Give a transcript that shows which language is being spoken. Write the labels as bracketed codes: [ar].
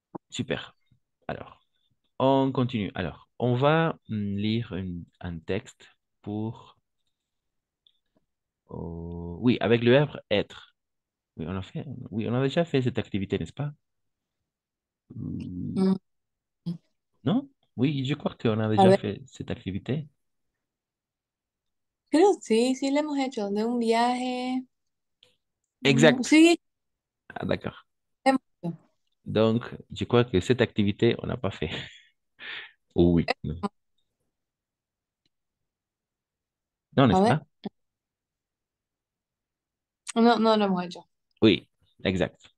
[fr] Super. Alors, on continue. Alors, on va lire un texte pour. Oui, avec le verbe être. Oui, on a fait. Oui, on a déjà fait cette activité, n'est-ce pas? Non? Oui, je crois qu'on a déjà fait cette activité. [es] Creo que sí, lo hemos hecho de un viaje. [fr] Exact. [es] Sí. [fr] Ah, d'accord. Donc, je crois que cette activité, on n'a pas fait. Oui. Non, n'est-ce [es] A ver. [fr] pas? [es] No, no lo hemos hecho. [fr] Oui, exact.